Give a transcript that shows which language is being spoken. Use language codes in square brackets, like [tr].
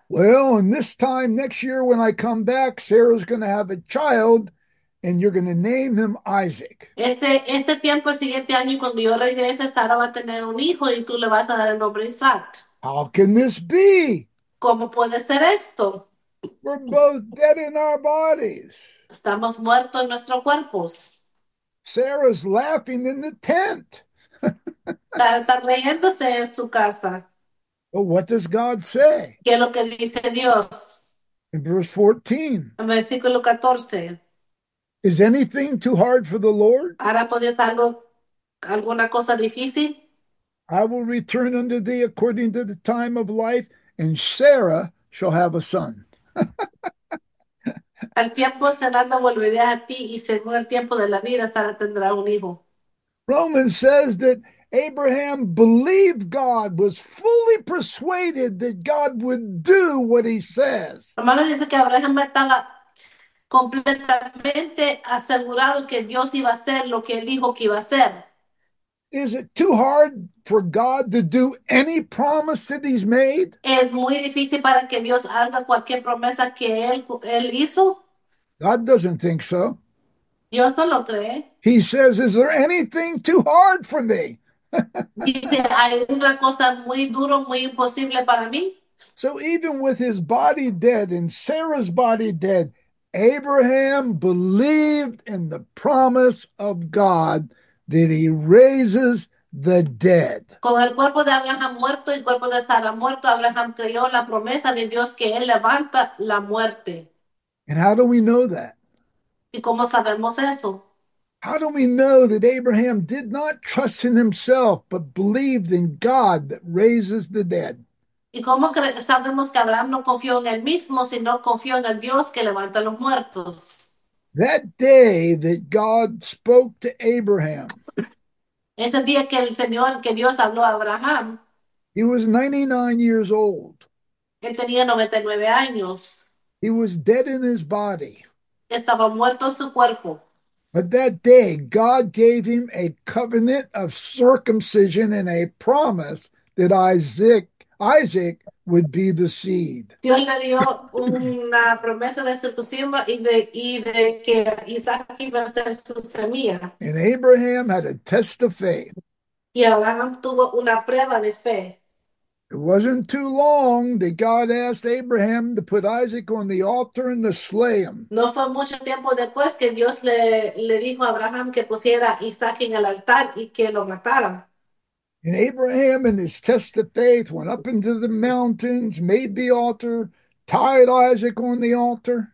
[en] Well, and this time next year, when I come back, Sarah's going to have a child, and you're going to name him Isaac. [es] Este tiempo, el siguiente año, cuando yo regrese, Sara va a tener un hijo y tú le vas a dar el nombre Isaac. [en] How can this be? [es] ¿Cómo puede ser esto? [en] We're both dead in our bodies. [es] Estamos muertos en nuestros cuerpos. [en] Sarah's laughing in the tent. [es] Está riéndose en su casa. [en] What does God say? [es] ¿Qué es lo que dice Dios? [en] In verse 14, [es] En versículo 14. [en] is anything too hard for the Lord? [es] ¿Ahora podías alguna cosa difícil? [en] I will return unto thee according to the time of life, and Sarah shall have a son. [es] Al tiempo cerrando volveré a ti y según el tiempo de la vida, Sara tendrá un hijo. [en] Romans says that Abraham believed God, was fully persuaded that God would do what he says. [es] Hermano dice que Abraham estaba completamente asegurado que Dios iba a hacer lo que él dijo que iba a hacer. [en] Is it too hard for God to do any promise that he's made? [es] Es muy difícil para que Dios haga cualquier promesa que él hizo. [en] God doesn't think so. [es] Yo esto lo creo. [en] He says, "Is there anything too hard for me?" [es] Dice, hay una cosa muy duro, muy imposible para mí. [en] So even with his body dead and Sarah's body dead, Abraham believed in the promise of God that he raises the dead. [es] Con el cuerpo de Abraham muerto y el cuerpo de Sara muerto, Abraham creyó en la promesa de Dios que él levanta la muerte. [en] And how do we know that? [es] ¿Y cómo sabemos eso? [en] How do we know that Abraham did not trust in himself, but believed in God that raises the dead? [es] ¿Y cómo sabemos que Abraham no confió en él mismo, sino confió en el Dios que levanta a los muertos? [en] That day that God spoke to Abraham, [es] Ese día que el Señor, que Dios habló a Abraham, [en] he was 99 years old. [es] él tenía 99 años. [en] He was dead in his body. [es] Estaba muerto en su cuerpo. [en] But that day, God gave him a covenant of circumcision and a promise that Isaac would be the seed. [es] Dios le dio una promesa de circuncisión y de que Isaac iba a ser su semilla. [en] And Abraham had a test of faith. [es] Y Abraham tuvo una prueba de fe. [en] It wasn't too long that God asked Abraham to put Isaac on the altar and to slay him. [es] No fue mucho tiempo después que Dios le dijo a Abraham que pusiera Isaac en el altar y que lo mataran. [en] And Abraham, in his test of faith, went up into the mountains, made the altar, tied Isaac on the altar.